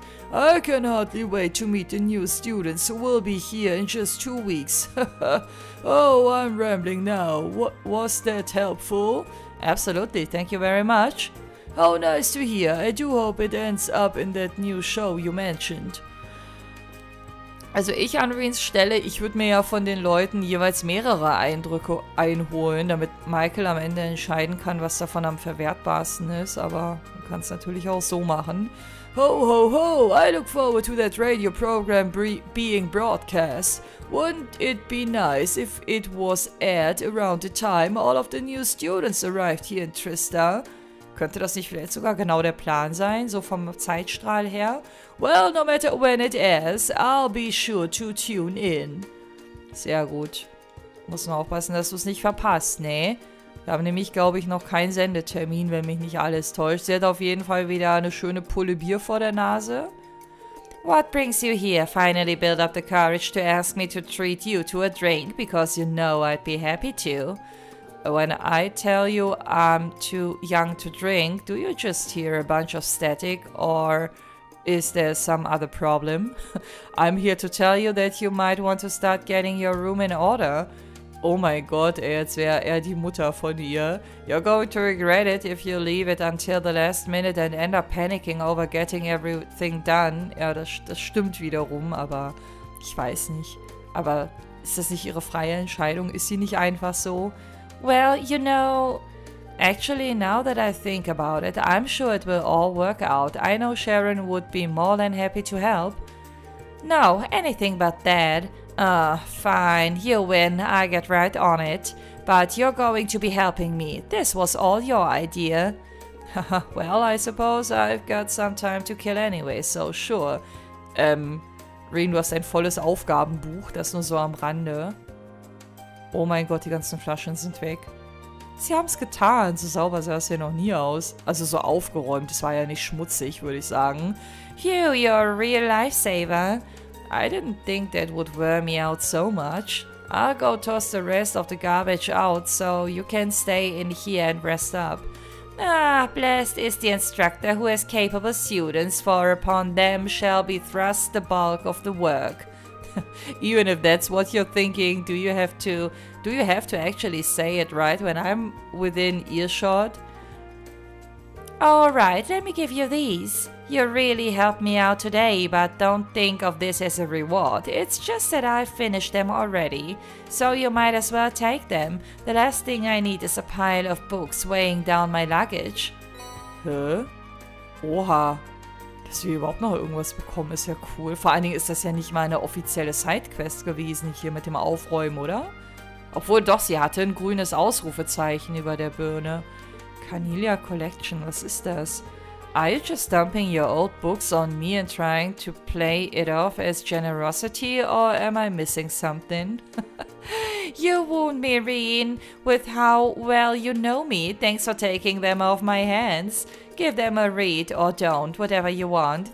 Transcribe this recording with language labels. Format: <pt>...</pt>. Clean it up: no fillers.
<en>I can hardly wait to meet the new students who will be here in just 2 weeks. Oh, I'm rambling now. Was that helpful? Absolutely, thank you very much. How nice to hear. I do hope it ends up in that new show you mentioned.</en> <de>Also ich an Reens Stelle, ich würde mir ja von den Leuten jeweils mehrere Eindrücke einholen, damit Michael am Ende entscheiden kann, was davon am verwertbarsten ist, aber man kann es natürlich auch so machen.</de> <en>Ho ho ho, I look forward to that radio program being broadcast. Wouldn't it be nice if it was aired around the time all of the new students arrived here in Trista?</en> <de>Könnte das nicht vielleicht sogar genau der Plan sein, so vom Zeitstrahl her?</de> <en>Well, no matter when it is, I'll be sure to tune in.</en> <de>Sehr gut. Muss nur aufpassen, dass du es nicht verpasst, ne? Wir haben nämlich, glaube ich, noch keinen Sendetermin, wenn mich nicht alles täuscht. Sie hat auf jeden Fall wieder eine schöne Pulle Bier vor der Nase.</de> <en>What brings you here? Finally build up the courage to ask me to treat you to a drink, because you know I'd be happy to. When I tell you I'm too young to drink, do you just hear a bunch of static, or is there some other problem? I'm here to tell you that you might want to start getting your room in order. Oh my god,</en> <de>jetzt wäre er die Mutter von ihr.</de> <en>You're going to regret it if you leave it until the last minute and end up panicking over getting everything done.</en> <de>Ja, das stimmt wiederum, aber ich weiß nicht. Aber ist das nicht ihre freie Entscheidung? Ist sie nicht einfach so?</de> <en>Well, you know, actually, now that I think about it, I'm sure it will all work out. I know Sharon would be more than happy to help. No, anything but that. Fine, you win, I get right on it. But you're going to be helping me. This was all your idea. Well, I suppose I've got some time to kill anyway, so sure.</en> <de>Rain, du hast ein volles Aufgabenbuch, das nur so am Rande. Oh mein Gott, die ganzen Flaschen sind weg. Sie haben es getan. So sauber sah es hier noch nie aus. Also so aufgeräumt. Es war ja nicht schmutzig, würde ich sagen.</de> <en>Hugh, you're a real lifesaver. I didn't think that would wear me out so much. I'll go toss the rest of the garbage out, so you can stay in here and rest up. Ah, blessed is the instructor who has capable students, for upon them shall be thrust the bulk of the work. Even if that's what you're thinking, do you have to actually say it right when I'm within earshot? Alright, let me give you these. You really helped me out today, but don't think of this as a reward. It's just that I've finished them already, so you might as well take them. The last thing I need is a pile of books weighing down my luggage. Huh? Oha.</en> <de>Dass wir überhaupt noch irgendwas bekommen, ist ja cool. Vor allen Dingen ist das ja nicht mal eine offizielle Sidequest gewesen, hier mit dem Aufräumen, oder? Obwohl, doch, sie hatte ein grünes Ausrufezeichen über der Birne. Canelia Collection, was ist das?</de> <en>Are you just dumping your old books on me and trying to play it off as generosity, or am I missing something? You wound me, Rin, with how well you know me. Thanks for taking them off my hands. Give them a read or don't, whatever you want.</en>